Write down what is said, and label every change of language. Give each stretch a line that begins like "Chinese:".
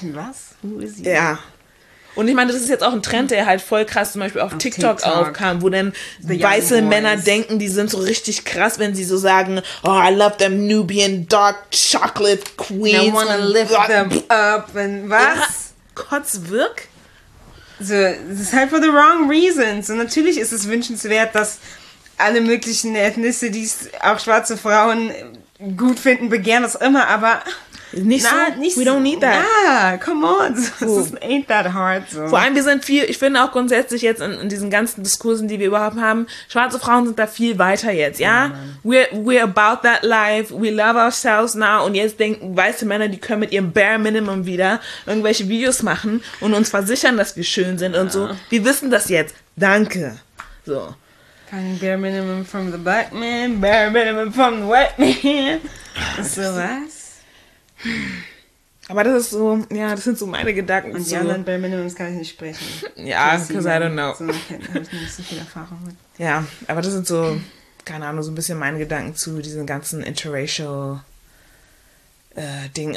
German: Was? Wo ist sie? Ja. Und ich meine, das ist jetzt auch ein Trend, der halt voll krass zum Beispiel auf TikTok aufkam, wo dann weiße Männer denken, die sind so richtig krass, wenn sie so sagen,
English: oh, I love them Nubian dark chocolate queens. I wanna lift them up. And
German: was? Ja, Kotzwirk?
English: So, it's
German: halt
English: for the wrong reasons.
German: Und natürlich ist es wünschenswert, dass alle möglichen Ethnisse, die auch schwarze Frauen gut finden, begehren das immer, aber... Nicht na, so, nicht
English: we don't need that.
German: Ja,
English: come on, this ain't that hard. So.
German: Vor allem, wir sind viel, ich finde auch grundsätzlich jetzt in diesen ganzen Diskursen, die wir überhaupt haben, schwarze Frauen sind da viel weiter jetzt, ja?
English: Oh, we're about that life, we love ourselves now
German: und jetzt denken weiße Männer, die können mit ihrem bare minimum wieder irgendwelche Videos machen und uns versichern, dass wir schön sind, ja, und so. Wir wissen das jetzt. Danke. So. Kein
English: bare minimum from the black man, bare minimum from the white man.
German: So was? Aber das ist so, ja, das sind so meine Gedanken. Und die so anderen bei Minimums kann ich nicht sprechen. Ja,
English: because I don't know.
German: So, habe ich nicht so viel Erfahrung mit. Ja, aber das sind so, keine Ahnung, so ein bisschen meine Gedanken zu diesen ganzen interracial Dingen.